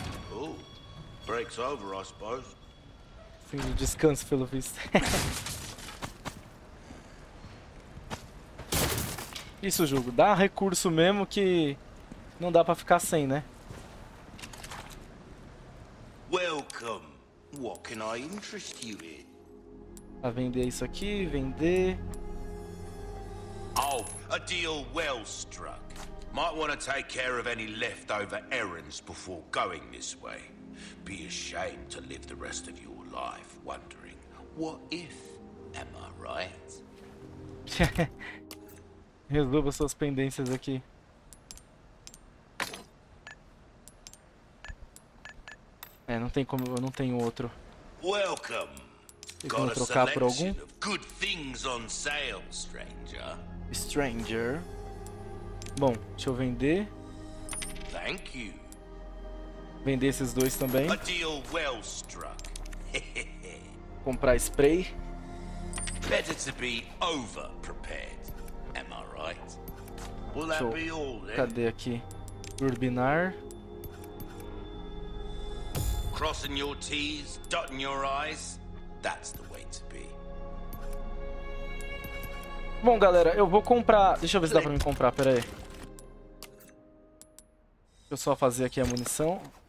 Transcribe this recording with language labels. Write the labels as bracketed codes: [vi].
[en] Oh, break's over, I suppose. [pt] Fim de descanso, pelo visto. Isso, jogo. Dá recurso mesmo que não dá pra ficar sem, né? [en] Welcome. What can I interest you in? [pt] A vender isso aqui, vender. [en] Oh, a deal well struck. Might want to take care of any leftover errands before going this way. Be ashamed to live the rest of your life. Wondering, what if, am I right? [pt] Resolva suas pendências aqui. É, não tem como, eu não tenho outro. [en] Welcome. [pt] Tem como trocar por algum? [en] Good things on sale, stranger. [pt] Stranger. Bom, deixa eu vender. [en] Thank you. [pt] Vender esses dois também. [en] A deal well struck. [pt] Comprar spray. [en] Better to be over prepared. Am I right? Will that be all then? [pt] Cadê aqui? Urbinar. [en] Crossing your T's, dotting your I's. That's the way to be. [pt] Bom, galera, eu vou comprar... Deixa eu ver se dá pra me comprar, pera aí. Deixa eu só fazer aqui a munição.